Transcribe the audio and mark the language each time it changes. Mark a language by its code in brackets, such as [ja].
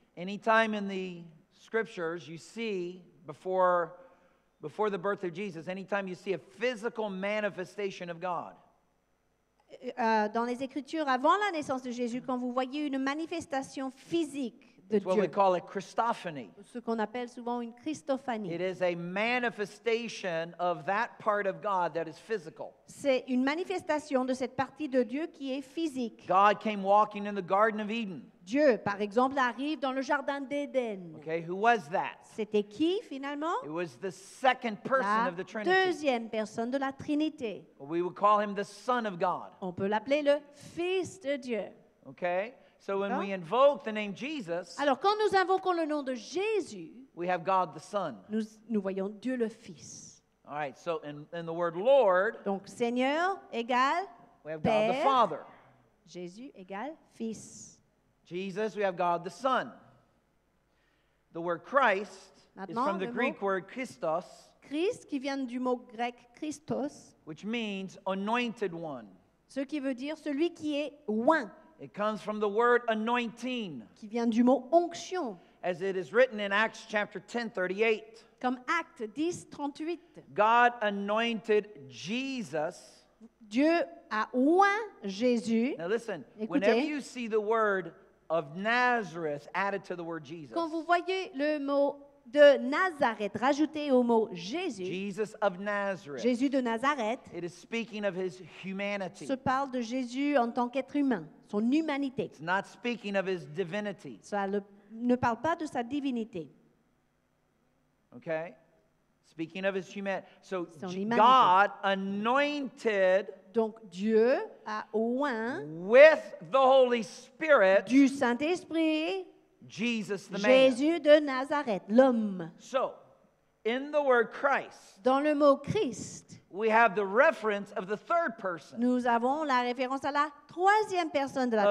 [en] Anytime in the scriptures you see before the birth of Jesus, anytime you see a physical manifestation of God. [fr] Dans les Écritures, avant la naissance de Jésus, quand vous voyez une manifestation physique de Dieu, [en] we call a Christophany. [fr] Ce qu'on appelle souvent une Christophanie. [en] It is a manifestation of that part of God that is physical. [fr] C'est une manifestation de cette partie de Dieu qui est physique. [en] God came walking in the Garden of Eden. [fr] Dieu, par exemple, arrive dans le jardin d'Éden. [en] Okay, who was that? [fr] C'était qui, finalement? [en] It was the second person of the Trinity. [fr] La deuxième personne de la Trinité. [en] We would call him the Son of God. [fr] On peut l'appeler le Fils de Dieu. [en] Okay, so when we invoke the name Jesus, [fr] alors quand nous invoquons le nom de Jésus, [en] we have God the Son. [fr] Nous voyons Dieu le Fils. [en] All right, so in the word Lord, [fr] donc Seigneur égale [en] we have [fr] Père, [en] God the Father. [fr] Jésus égale Fils. [en] Jesus, we have God the Son. The word Christ [fr] maintenant, [en] is from the Greek word Christos, [fr] Christ, qui vient du mot grec Christos, [en] which means anointed one. [fr] Ce qui veut dire celui qui est oint. [en] It comes from the word anointing, [fr] qui vient du mot onction, [en] as it is written in Acts chapter 10:38. [fr] Comme Actes 10:38. [en] God anointed Jesus. [fr] Dieu a oint Jésus. [en] Now listen, [fr] écoutez, [en] whenever you see the word of Nazareth added to the word Jesus. [fr] Quand vous voyez le mot de Nazareth rajouté au mot Jésus. [en] Jesus of Nazareth. [fr] Jésus de Nazareth. [en] It is speaking of his humanity. [fr] Se parle de Jésus en tant qu'être humain, son humanité. [en] It's not speaking of his divinity. [fr] Ça ne parle pas de sa divinité. [en] Okay? Speaking of his humanity. So [fr] son humanité. [en] God anointed. [fr] Donc Dieu a oint [en] with the Holy Spirit, [fr] du Saint-Esprit, [en] Jesus the [fr] Jésus De Nazareth, l'homme. [en] So, in the word Christ, [fr] dans le mot Christ, [en] we have the reference of the third person. [fr] Nous avons la référence à la troisième personne de la